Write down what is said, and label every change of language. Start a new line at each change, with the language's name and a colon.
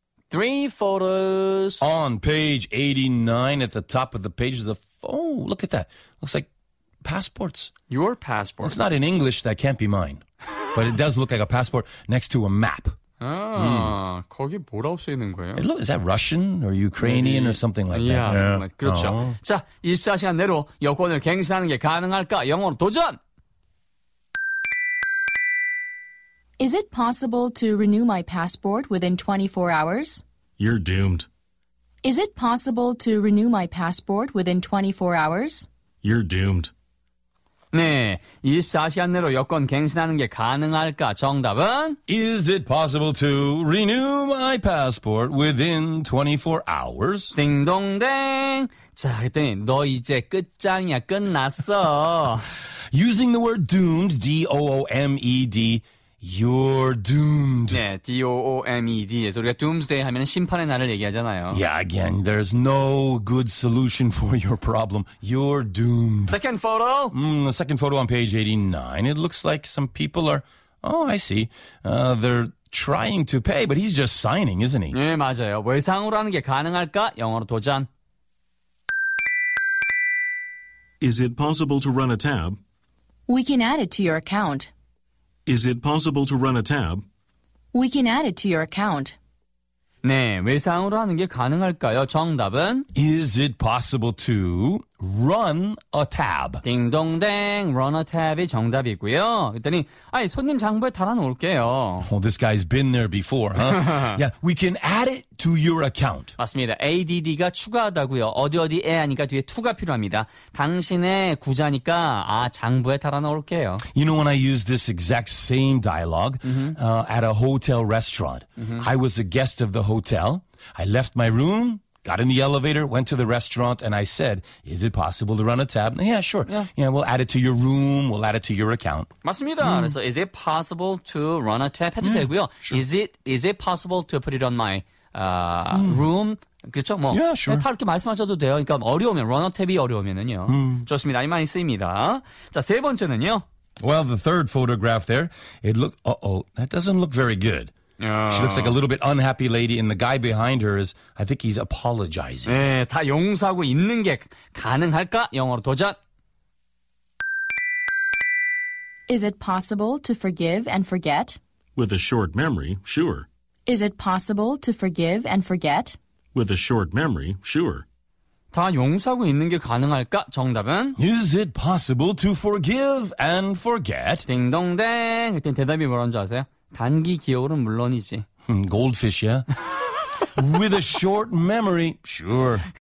English: 3 photos. On page 89 at the top of the page is a look at that. Looks like passports. Your passport. It's not in English, that can't be mine. But it does look like a passport next to a map.
Korean: 거기 뭐라고 써 있는 거예요?
English: Look, is that Russian or Ukrainian or something like yeah, that? Yeah, something like.
Korean: 그렇죠. Uh-huh. 자, 24시간 내로 여권을 갱신하는 게 가능할까? 영어로 도전.
English: Is it possible to renew my passport within 24 hours? You're doomed. Is it possible to renew my passport within 24 hours? You're doomed.
Korean: 네, 24시간 내로 여권 갱신하는 게 가능할까? 정답은?
English: Is it possible to renew my passport within 24 hours?
Korean: 딩동댕! 자, 그랬더니 너 이제 끝장이야, 끝났어.
English: Using the word doomed, D-O-O-M-E-D, You're doomed.
Korean: 네, D-O-O-M-E-D. 우리가 doomsday 하면 심판의 날을 얘기하잖아요.
English: Yeah, again, there's no good solution for your problem. You're doomed. Second photo. The second photo on page 89. It looks like some people are... Oh, I see. They're trying to pay, but he's just signing, isn't he?
Korean: 네, 맞아요. 외상으로 하는 게 가능할까? 영어로 도전.
English: Is it possible to run a tab? We can add it to your account. Is it possible to run a tab? We can add it to your account.
Korean: 네, 외상으로 하는 게 가능할까요? 정답은
English: Is it possible to run a tab?
Korean: 딩동댕,
English: run a tab
Korean: 이 정답이고요. 그랬더니, 아니, 손님 장부에 달아놓을게요.
English: Oh, this guy's been there before, huh? Yeah, we can add it to your account.
Korean: 맞습니다. ADD가 추가하다고요. 어디어디에 하니까 뒤에 to가 필요합니다. 당신의 구자니까, 아, 장부에 달아놓을게요.
English: You know, when I use this exact same dialogue at a hotel restaurant, I was a guest of the hotel. I left my room, got in the elevator, went to the restaurant, and I said, is it possible to run a tab? Yeah, sure. Yeah. Yeah, we'll add it to your room. We'll add it to your account.
Korean: 맞습니다. Mm. 그래서
English: is it possible to run a tab?
Korean: 해도 되고요.
English: Sure. Is it possible to put it on my room?
Korean: 그렇죠? 뭐,
English: yeah, sure.
Korean: 다 이렇게 말씀하셔도 돼요. 그러니까 어려우면,
English: run a tab
Korean: 이 어려우면은요. 좋습니다. 많이 쓰입니다. 자, 세 번째는요.
English: Well, the third photograph there, it look, that doesn't look very good. She looks like a little bit unhappy lady, and the guy behind her is, I think he's apologizing.
Korean: 네, 다 용서하고 있는 게 가능할까? 영어로 도전!
English: Is it possible to forgive and forget? With a short memory, sure. Is it possible to forgive and forget? With a short memory, sure.
Korean: 다 용서하고 있는 게 가능할까? 정답은
English: Is it possible to forgive and forget?
Korean: 딩동댕! 그때 대답이 뭐라는 줄 아세요? 단기 기억으로는 물론이지.
English: Goldfish, yeah? With a short memory, sure.